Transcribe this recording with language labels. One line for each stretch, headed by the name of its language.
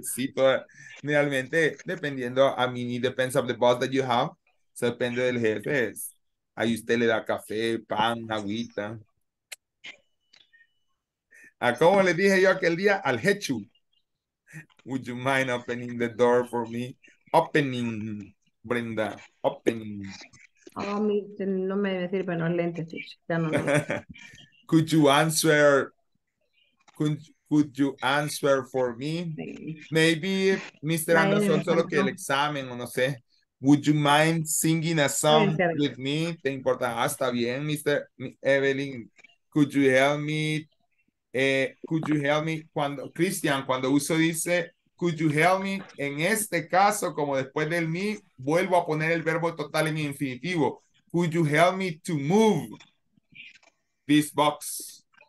Spanish: Sí, pero realmente, dependiendo,
English: it depends of the boss that you have.
Spanish: So depende del jefe. Ahí usted le da café, pan, agüita. ¿A cómo le dije yo aquel día? Al jechu.
English: Would you mind opening the door for me? Opening, Brenda. Opening.
Spanish: Oh, no me debe decir, pero no es lente. Ya no.
English: Could you answer? Could you answer for me?
Spanish: Maybe, Mr. Anderson, solo que el examen, o no sé.
English: Would you mind singing a song with me?
Spanish: ¿Te importa? Ah, está bien,
English: Mr. Evelyn. Could you help me? Could you help me?
Spanish: Cuando uso dice,
English: could you help me?
Spanish: En este caso, como después del me, vuelvo a poner el verbo total en infinitivo.
English: Could you help me to move this box?